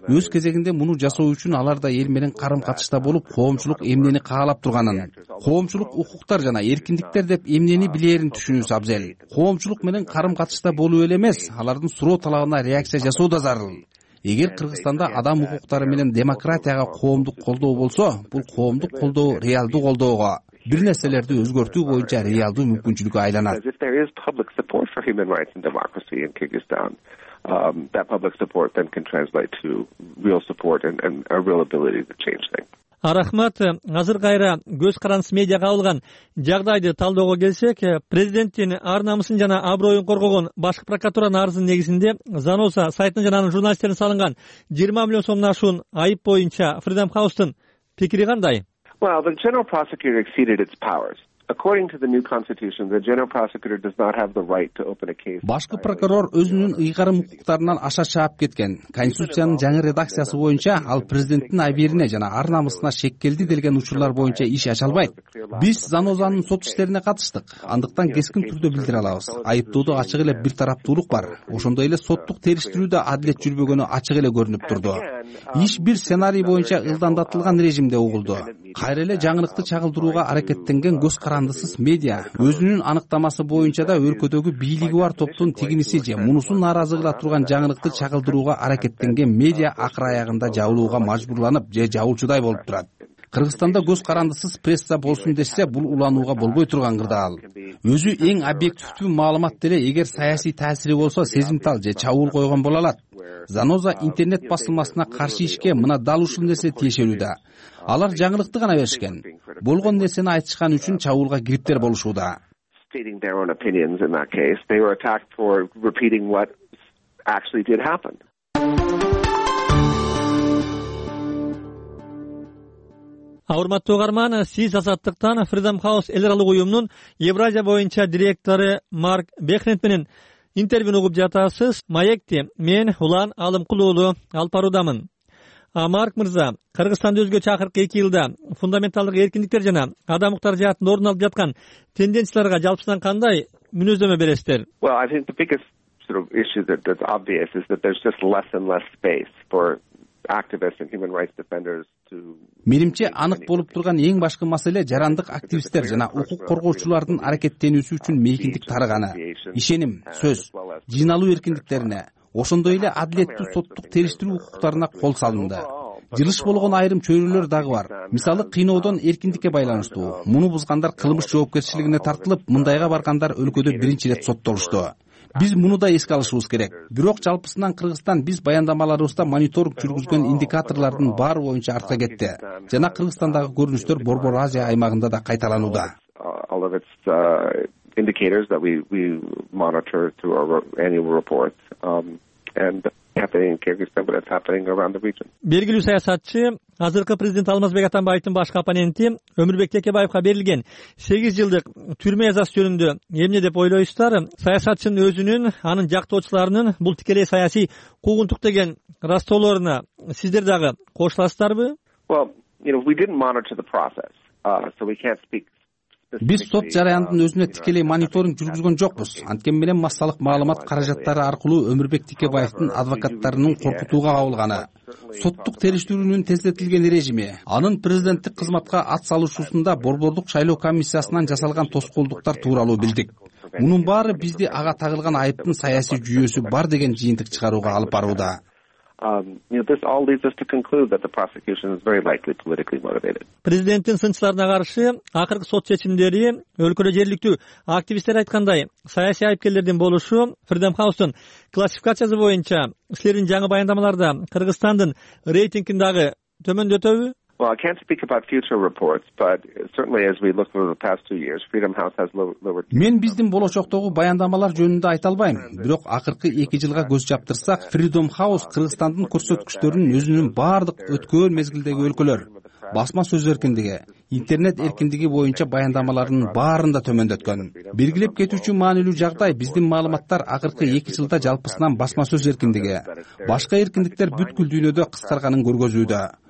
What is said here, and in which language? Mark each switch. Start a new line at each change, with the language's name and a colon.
Kyrgyz: Өз кезегинде муну жасоо үчүн алар да эл менен карым катышта болуп, коомчулук эмнени каалап турганын, коомчулук укуктар жана эркиндиктер деп эмнени билээрин түшүнүүсү абзел. Коомчулук менен карым катышта болуу эле эмес, алардын суроо талабына реакция жасоо да зарыл. Эгер Кыргызстанда адам укуктары менен демократияга коомдук колдоо болсо, бул коомдук колдоо реалдуу колдоого, бир нерселерди өзгөртүү боюнча реалдуу мүмкүнчүлүккө айланат.
English: If there is public support for human rights and democracy in Kyrgyzstan, that public support then can translate to real support and a real ability to change things.
Kyrgyz: Рахмат. Азыр кайра көз карандыс медиага алган жагдайды талдоого келсек, президенттин ар намысын жана аброюн коргогон башкы прокуратуранын арызынын негизинде Заноза сайтына жана анын журналисттерине салынган 20 миллион сомдон ашуун айып боюнча Freedom House'тун пикири кандай?
English: Well, the general prosecutor exceeded its powers. According to the new constitution, the general prosecutor does not have the right to open a case.
Kyrgyz: Башкы прокурор өзүнүн ыйгарым укуктарынан аша чаап кеткен. Конституциянын жаңы редакциясы боюнча ал президенттин абийирине жана ар намысына шек келди деген учурлар боюнча иш ача албайт. Биз Занозанын сот иштерине катыштык. Андыктан кескин түрдө билдире алабыз. Айыптоодо ачык эле бир тараптуулук бар. Ошондой эле соттук териштирүүдө адилет жүрбөгөнү ачык эле көрүнүп турду. Иш бир сценарий боюнча ылдамдатылган режимде угулду. Кайра эле жаңылыкты чагылдырууга аракеттенген көз карандысыз медиа өзүнүн аныктамасы боюнча да өлкөдөгү бийлиги бар топтун тигиниси же мунусу нааразы кыла турган жаңылыкты чагылдырууга аракеттенген медиа акыр аягында жабылууга мажбурланып же жабылчудай болуп турат. Кыргызстанда көз карандысыз пресса болсун десе бул уланууга болбой турган кырдаал. Өзү эң объективдүү маалымат деле эгер саясий таасири болсо сезимтал же чабуул койгон боло алат. Заноза интернет басылмасына каршы ишке мына дал ушул нерсе тиешелүүдө. Алар жаңылыкты гана беришкен. Болгон нерсени айтышкан үчүн чабуулга кириптер болушууда.
English: Stating their own opinions in that case, they were attacked for repeating what actually did happen.
Kyrgyz: Урматтуу угарман, сиз азаттыктан Freedom House эл аралык уюмунун Евразия боюнча директору Марк Бехнет менен интервью угуп жатасыз. Маекти, мен Улан Алымкул уулу алып баруудамын. Марк мырза, Кыргызстанда өзгөчө акыркы 2 жылда фундаменталдык эркиндиктер жана адам укуктары жаатында орун алып жаткан тенденцияларга жалпысынан кандай мүнөздөмө бересиздер?
English: Well, I think the biggest sort of issue that's obvious is that there's just less and less space for activists and human rights defenders.
Kyrgyz: Менимче анык болуп турган эң башкы маселе жарандык активисттер жана укук коргоочулардын аракеттенүүсү үчүн мейкиндик тарыганы, ишеним, сөз, жыйналуу эркиндиктерине, ошондой эле адилеттүү соттук териштирүү укуктарына кол салынды. Жылыш болгон айрым чөйрөлөр дагы бар. Мисалы, кыйноодон эркиндикке байланыштуу. Муну бузгандар кылмыш жоопкерчилигине тартылып, мындайга баргандар өлкөдө биринчи ирет соттолушту. Биз муну да эске алышыбыз керек. Бирок жалпысынан Кыргызстан биз баяндамаларыбызда мониторинг жүргүзгөн индикаторлордун баары боюнча артка кетти. Жана Кыргызстандагы көрүнүштөр Борбор Азия аймагында да кайталанууда.
English: All of its indicators that we monitor through our annual report and happening in Kyrgyzstan but it's happening around the region.
Kyrgyz: Белгилүү саясатчы, азыркы президент Алмазбек Атамбаевдин башкы оппоненти Өмүрбек Текебаевка берилген 8 жылдык түрмө жазасы жөнүндө эмне деп ойлойсуздар? Саясатчынын өзүнүн, анын жактоочуларынын бул тикелей саясий куугунтук деген ырастоолоруна сиздер дагы кошуласыздарбы?
English: Well, you know, we didn't monitor the process, so we can't speak.
Kyrgyz: Биз сот жараяндын өзүнө тикелей мониторинг жүргүзгөн жокпуз. Анткени менен массалык маалымат каражаттары аркылуу Өмүрбек Текебаевдин адвокаттарынын коркутууга кабылганы, соттук териштирүүнүн тездетилген режими, анын президенттик кызматка ат салышуусунда борбордук шайлоо комиссиясынан жасалган тоскоолдуктар тууралуу билдик. Мунун баары бизди ага тагылган айыптын саясий жүйөсү бар деген жыйынтык чыгарууга алып барууда.
English: This all leads us to conclude that the prosecution is very likely politically motivated.
Kyrgyz: Президенттин сынчыларына каршы акыркы сот чечимдери өлкөдө жерликтүү активисттер айткандай саясий айыпкерлердин болушу Freedom House'тун классификациясы боюнча силердин жаңы баяндамаларда Кыргызстандын рейтингиндеги төмөндөтөбү?
English: Well, I can't speak about future reports, but certainly as we look over the past 2 years, Freedom House has lowered.
Kyrgyz: Мен биздин болочоктогу баяндамалар жөнүндө айта албайм, бирок акыркы 2 жылга көз чаптырсак, Freedom House Кыргызстандын көрсөткүчтөрүн өзүнүн бардык өткөн мезгилдеги өлкөлөр, басма сөз эркиндиги, интернет эркиндиги боюнча баяндамаларынын баарында төмөндөткөн. Белгилеп кетүүчү маанилүү жагдай, биздин маалыматтар акыркы 2 жылда жалпысынан басма сөз эркиндиги, башка эркиндиктер бүткүл дүйнөдө кыскарганын көргөзүүдө.